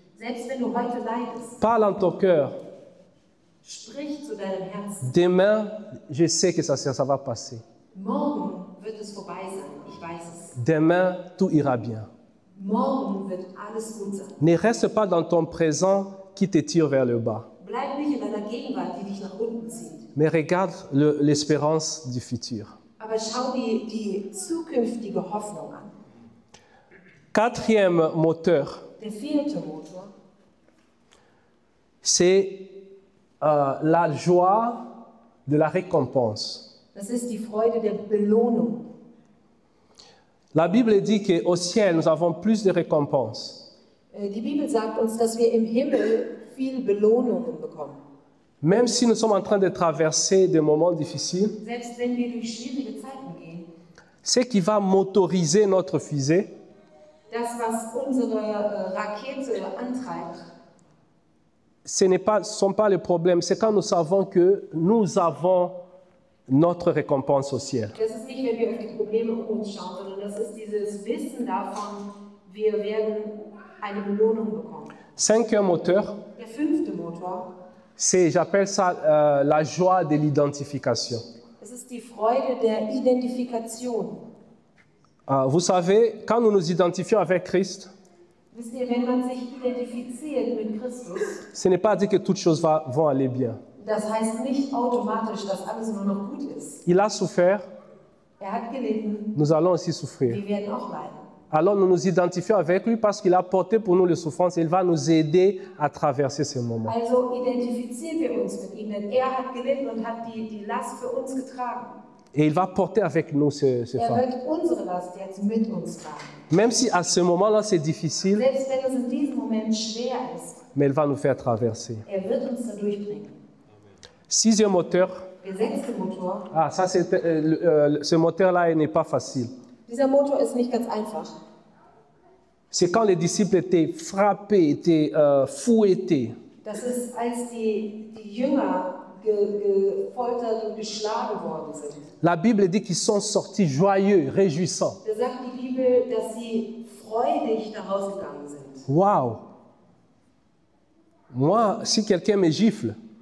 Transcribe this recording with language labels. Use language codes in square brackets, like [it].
[de] selbst wenn du heute leidest, [fr] parle en ton cœur. [de] Sprich zu deinem Herzen. [fr] Demain, je sais que ça va passer. [de] Morgen wird es vorbei sein, ich weiß es. [fr] Demain, tout ira bien. [de] Morgen wird alles gut sein. [fr] Ne reste pas dans ton présent qui te tire vers le bas. [de] Bleib nicht in deiner Gegenwart, die dich nach unten zieht. [fr] Mais regarde l'espérance du futur. [de] Aber schau dir die zukünftige Hoffnung an. [fr] Quatrième moteur. [de] Der vierte Motor. [fr] C'est la joie de la récompense. [de] Das ist die Freude der Belohnung. [fr] La Bible dit que au ciel nous avons plus de récompenses. [de] Die Bibel sagt uns, dass wir im Himmel viel Belohnungen bekommen. [fr] Même si nous sommes en train de traverser des moments difficiles. [de] Selbst wenn wir durch schwierige Zeiten gehen. [fr] Ce qui va motoriser notre fusée. [de] das, was unsere Rakete antreibt. [fr] Ce ne sont pas les problèmes, c'est quand nous savons que nous avons notre récompense au ciel. [de] Das ist nicht, wenn wir auf die Probleme um uns schauen, sondern das ist dieses Wissen davon, wir werden eine Belohnung bekommen. [fr] Cinquième moteur. [de] Der fünfte Motor. [fr] C'est, j'appelle ça la joie de l'identification. [de] Es ist die Freude der Identifikation. [fr] Vous savez, quand nous nous identifions avec Christ, [de] wisst ihr, wenn man sich identifiziert mit Christus, [fr] ce n'est pas dit que toutes choses vont aller bien. [de] Das heißt nicht automatisch, dass alles nur noch gut ist. [fr] Il a souffert. [de] Er hat gelitten. [fr] Nous allons aussi souffrir. [de] Wir werden auch leiden. [fr] Alors nous nous identifions avec lui parce qu'il a porté pour nous les souffrances et il va nous aider à traverser ces moments. [de] Also identifizieren wir uns mit ihm, denn er hat gelitten und hat die Last für uns getragen. [fr] Et il va porter avec nous ce fardeau. [de] Er wird unsere Last jetzt mit uns tragen. [fr] Même si à ce moment-là c'est difficile, [de] selbst wenn es in diesem Moment schwer ist, [fr] mais il va nous faire traverser. [de] Er wird uns da durchbringen. [fr] Sixième moteur. [de] Der sechste Motor. [fr] Ah, ça c'est ce moteur-là, il n'est pas facile. [de] Dieser Motor ist nicht ganz einfach. [fr] C'est quand les disciples étaient frappés, étaient fouettés. [de] Das ist, als die Jünger gefoltert und geschlagen worden sind. [fr] La Bible dit qu'ils sont sortis joyeux, réjouissants. [de] Da sagt die Bibel, dass sie freudig daraus gegangen sind. [fr] Wow. Moi, si quelqu'un me gifle,